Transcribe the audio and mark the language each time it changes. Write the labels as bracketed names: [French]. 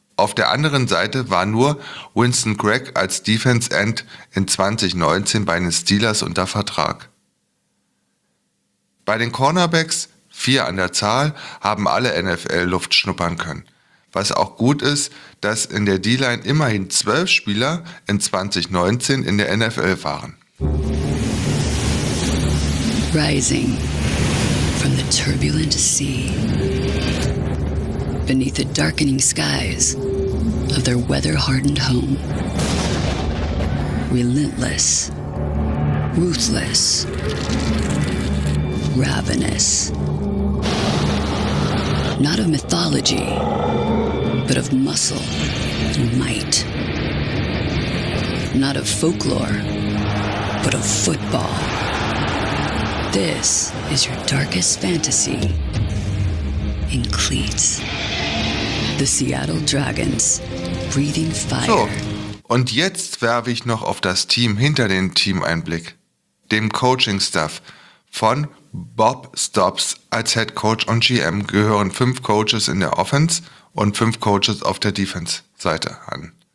[German] Auf der anderen Seite war nur Winston Gregg als Defense End in 2019 bei den Steelers unter Vertrag. Bei den Cornerbacks, 4 an der Zahl, haben alle NFL-Luft schnuppern können. Was auch gut ist, dass in der D-Line immerhin 12 Spieler in 2019 in der NFL waren. [English] Rising from the turbulent sea, beneath the darkening skies of their weather-hardened home. Relentless, ruthless, ravenous. Not of mythology, but of muscle and might. Not of folklore, but of football. This is your darkest fantasy in cleats. The Seattle Dragons, breathing fire. [German] So, und jetzt werfe ich noch auf das Team hinter dem Team einen Blick. Dem Coaching-Staff von Bob Stoops als Head Coach und GM gehören 5 Coaches in der Offense und 5 Coaches auf der Defense-Seite an.